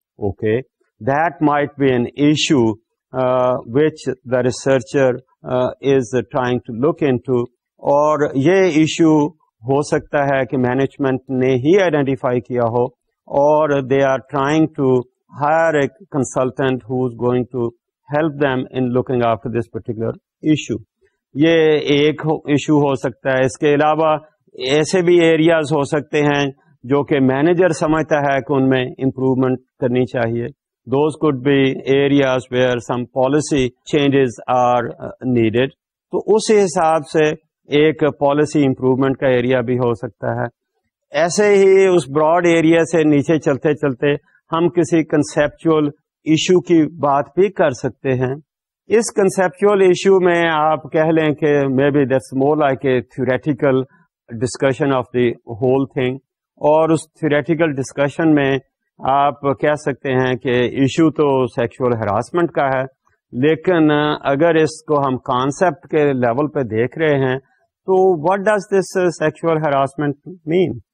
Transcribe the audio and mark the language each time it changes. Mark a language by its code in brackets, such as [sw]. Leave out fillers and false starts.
[en] okay, that might be an issue which the researcher is trying to look into, [ur] اور یہ issue ہو سکتا ہے کہ مینجمنٹ نے ہی آئیڈینٹیفائی کیا ہو اور [en] They are trying to hire a consultant who is going to help them in looking after this particular issue. [ur] یہ ایک ایشو ہو سکتا ہے. اس کے علاوہ ایسے بھی ایریاز ہو سکتے ہیں جو کہ مینیجر سمجھتا ہے کہ ان میں امپروومنٹ کرنی چاہیے. [en] Those could be areas where some policy changes are needed. [ur] تو اس حساب سے ایک policy improvement کا area بھی ہو سکتا ہے. ایسے ہی اس broad area سے نیچے چلتے چلتے ہم کسی conceptual issue کی بات بھی کر سکتے ہیں. اس conceptual issue میں آپ کہہ لیں کہ [en] maybe that's more like a theoretical discussion of the whole thing, [ur] اور اس theoretical discussion میں آپ کہہ سکتے ہیں کہ ایشو تو سیکشوئل ہراسمنٹ کا ہے, لیکن اگر اس کو ہم کانسیپٹ کے لیول پہ دیکھ رہے ہیں تو [en] what does this sexual harassment mean,